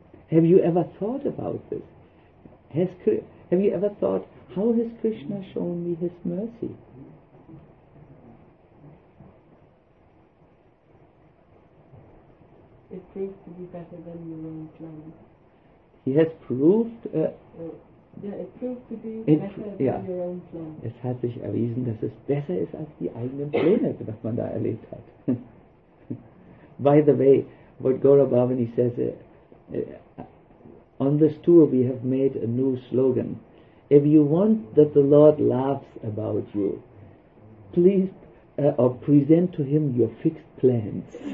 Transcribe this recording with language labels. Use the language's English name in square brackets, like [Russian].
[English] Have you ever thought about this? Have you ever thought, how has Krishna shown me his mercy? It proves to be better than your own plans. He has proved... it proves to be better than your own plans. [German] Es hat sich erwiesen, dass es besser ist als die eigenen Pläne, was man da erlebt hat. [English] By the way, what Gaura Bhavani says, on this tour we have made a new slogan. If you want that the Lord laughs about you, please or present to him your fixed plans.